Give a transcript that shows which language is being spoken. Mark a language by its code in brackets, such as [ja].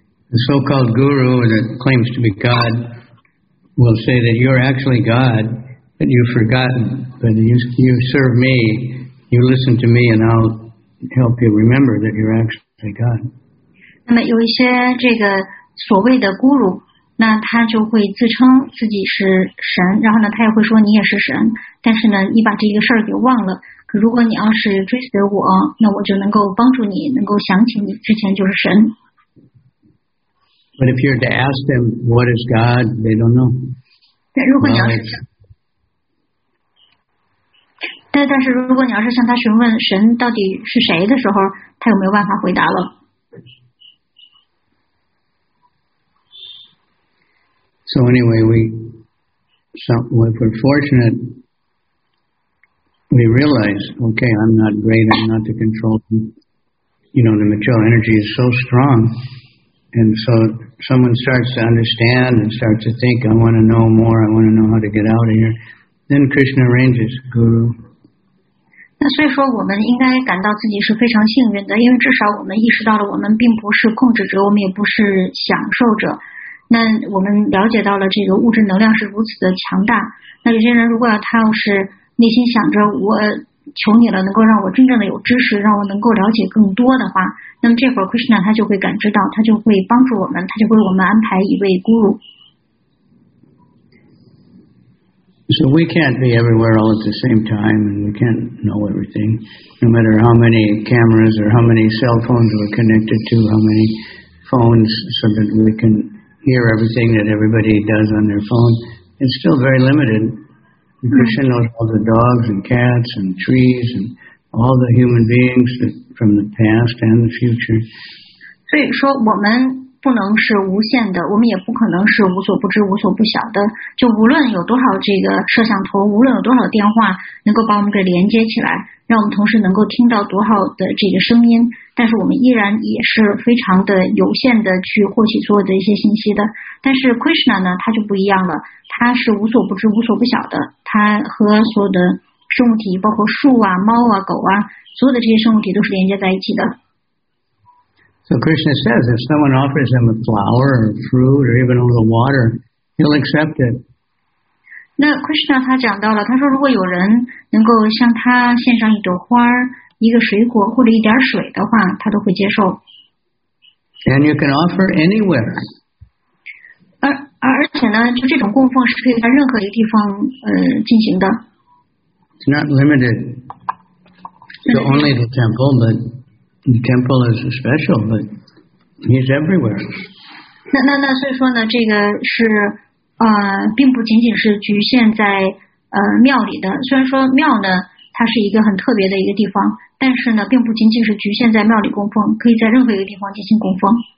[en] The so-called guru that claims to be God will say that you're actually God, but you've forgotten. But you serve me, you listen to me, and I'll help you remember that you're actually God. [zh] 那么有一些这个所谓的孤儒，那他就会自称自己是神，然后呢，他也会说你也是神，但是呢，你把这个事儿给忘了。可如果你要是追随我，那我就能够帮助你，能够想起你之前就是神。 [en] But if you're to ask them what is God, they don't know. [zh] 但如果你要是但是如果你要是向他询问神到底是谁的时候，他又没有办法回答了。 [en] So anyway, if we're fortunate, we realize, okay, I'm not great, I'm not the control, you know, the material energy is so strong. And so someone starts to understand and starts to think, I want to know more, I want to know how to get out of here. Then Krishna arranges, Guru. [zh] 那所以说我们应该感到自己是非常幸运的，因为至少我们意识到了我们并不是控制者，我们也不是享受者。那我们了解到了这个物质能量是如此的强大，那有些人如果他要是内心想着我求你了能够让我真正的有知识，让我能够了解更多的话，那么这会儿 Krishna 他就会感知到，他就会帮助我们，他就为我们安排一位 Guru。 [en] So we can't be everywhere all at the same time and we can't know everything, no matter how many cameras or how many cell phones we're connected to, how many phones, so that we canhear everything that everybody does on their phone, it's still very limited. Krishna knows all the dogs and cats and trees and all the human beings from the past and the future. [zh] 所以说我们不能是无限的，我们也不可能是无所不知无所不晓的，就无论有多少这个摄像头，无论有多少电话能够把我们给连接起来，让我们同时能够听到多好的这个声音，但是我们依然也是非常的有限的去获取所有的一些信息的。但是 Krishna 呢，他就不一样了，他是无所不知无所不晓的，他和所有的生物体，包括树啊、猫啊、狗啊，所有的这些生物体都是连接在一起的。 [en] So Krishna says, if someone offers him a flower or fruit or even a little water, he'll accept it. [zh] 那 Krishna 他讲到了，他说如果有人能够向他献上一朵花、一个水果或者一点水的话，他都会接受。 [en] And you can offer anywhere. [zh] 而且呢，就这种供奉是可以在任何一个地方进行的。 [en] It's not limited to only the temple, but the temple is special, but he's everywhere. [zh] 那所以说呢，这个是并不仅仅是局限在庙里的。虽然说庙呢，它是一个很特别的一个地方，但是呢，并不仅仅是局限在庙里供奉，可以在任何一个地方进行供奉。